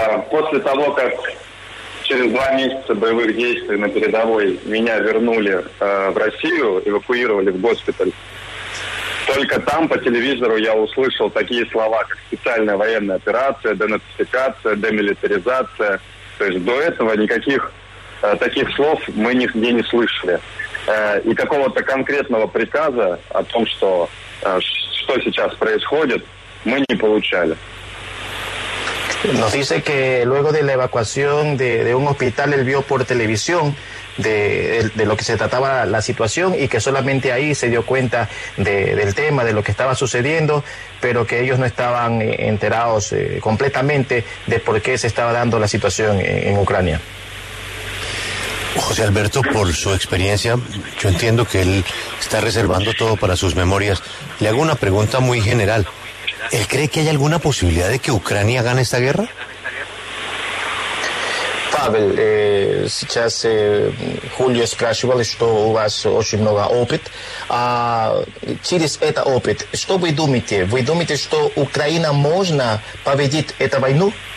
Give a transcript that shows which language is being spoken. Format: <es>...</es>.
<ru>После того, как через два месяца боевых действий на передовой меня вернули в Россию, эвакуировали в госпиталь, только там по телевизору я услышал такие слова, как специальная военная операция, денацификация, демилитаризация. То есть до этого никаких таких слов мы нигде не слышали. И какого-то конкретного приказа о том, что сейчас происходит, мы не получали.</ru> <es>Nos dice que luego de la evacuación de un hospital, él vio por televisión de lo que se trataba la situación, y que solamente ahí se dio cuenta del tema, de lo que estaba sucediendo, pero que ellos no estaban enterados completamente de por qué se estaba dando la situación en Ucrania. José Alberto, por su experiencia, yo entiendo que él está reservando todo para sus memorias. Le hago una pregunta muy general. ¿Él cree que hay alguna posibilidad de que Ucrania gane esta guerra?</es> <ru>Павел, сейчас Хулио спрашивал, что у вас очень много опыт. А через этот опыт, что вы думаете? Вы думаете, что Украина можно победить эту войну?</ru>